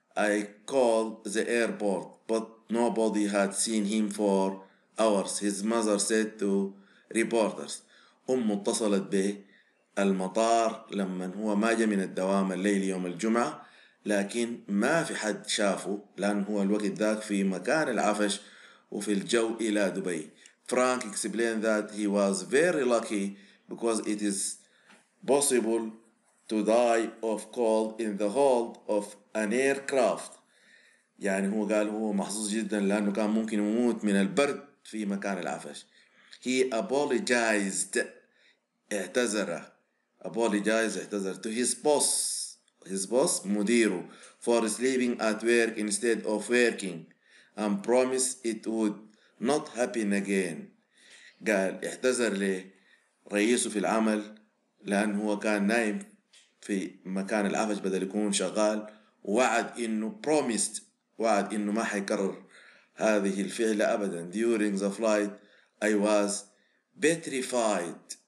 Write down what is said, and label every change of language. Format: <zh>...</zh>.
<en>I called the airport but nobody had seen him for hours، his mother said to reporters.</en> <ar>أم اتصلت به المطار لما هو ما جاء من الدوام الليلي يوم الجمعة، لكن ما في حد شافه لأن هو الوقت ذاك في مكان العفش وفي الجو إلى دبي.</ar> <en>Frank explained that he was very lucky because it is possible to die of cold in the hold of an aircraft.</en> <ar>يعني هو قال هو محظوظ جدا لأنه كان ممكن يموت من البرد في مكان العفش.</ar> <en>He apologized, اعتذر to his boss. His boss, مديره, for sleeping at work instead of working, and promised it would not happen again.</en> <ar>قال اعتذر لرئيسه في العمل لأن هو كان نايم في مكان العفش بدل يكون شغال. وعد إنه promised, وعد إنه ما حيكرر هذه الفعلة أبدا.</ar> <en>During the flight, I was petrified.</en>